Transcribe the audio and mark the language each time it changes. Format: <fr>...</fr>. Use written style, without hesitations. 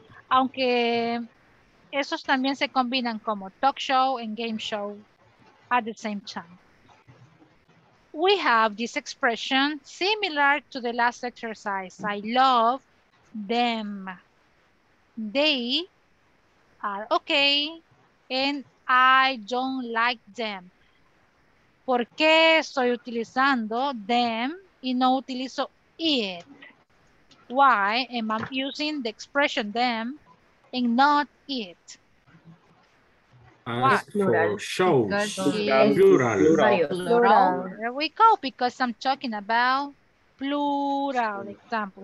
<es>Aunque esos también se combinan como</es> <en>talk show and game show</en> <es>at the same time.</es> <en>We have this expression similar to the last exercise. I love them. They are okay and I don't like them.</en> <es>¿Por qué estoy utilizando them y no utilizo it?</es> <en>Why am I using the expression them and not it? Why? For shows. Plural. There we go, because I'm talking about plural example.</en>